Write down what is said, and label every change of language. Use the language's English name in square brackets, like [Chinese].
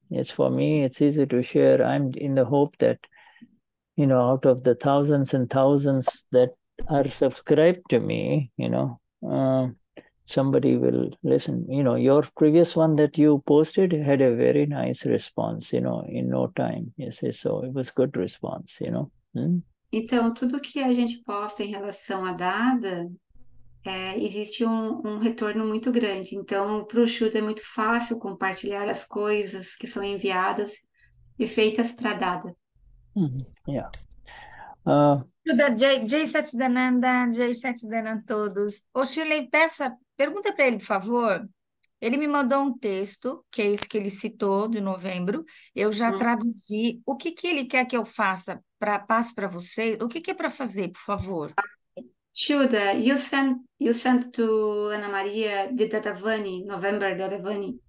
[English] It's for me, it's easy to share. I'm in the hope that, you know, out of the thousands and thousands that are subscribed to me, you know, somebody will listen. You know, your previous one that you posted had a very nice response, you know, in no time. You see, so it was good response, you know. [Portuguese] Então, tudo que a gente posta em relação a Dada, existe um retorno muito grande. Então, para o Shuddha é muito fácil compartilhar as coisas que são enviadas e feitas para Dada. Shuddha, Jay Satidananda, Jay Satidananda todos. O Shirley, pergunta para ele, por favor. Ele me mandou um texto, que é esse que ele citou, de novembro. Eu já traduzi. O que, que ele quer que eu faça? Passe para você? O que, que é para fazer, por favor? [English] Shuddha, you sent to Ana Maria de Dadavani, November Dadavani.